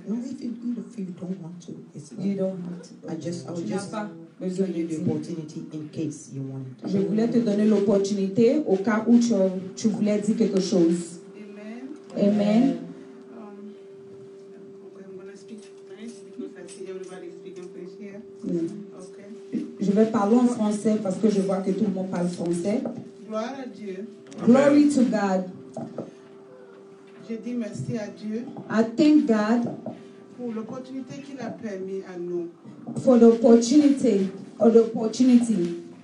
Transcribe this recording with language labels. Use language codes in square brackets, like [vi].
[en] No, if you don't want to, it's fine. You don't have to. I would just give you the opportunity in case you want it. [fr] Je voulais te donner l'opportunité au cas où tu voulais dire quelque chose. Amen. Amen. [en] I'm gonna speak French because I see everybody speaking French here. Yeah. Okay. [fr] Je vais parler en français parce que je vois que tout le monde parle français. Gloire à Dieu. [en] Glory to God. [fr] Je dis merci à Dieu. [en] I thank God [fr] pour l'opportunité qu'il a permis à nous. [en] For the opportunity or the opportunity.